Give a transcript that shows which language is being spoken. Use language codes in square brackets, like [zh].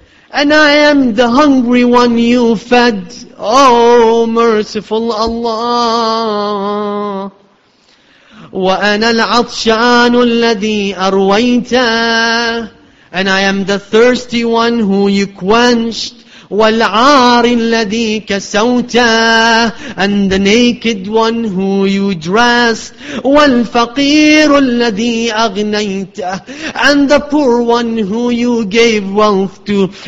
[en] And I am the hungry one you fed. Oh, merciful Allah. [ar] وأنا العطشان الذي أرويت. [en] And I am the thirsty one who you quenched. [ar] والعار الذي كسوت. [en] And the naked one who you dressed. [ar] والفقير الذي أغنيت. [en] And the poor one who you gave wealth to.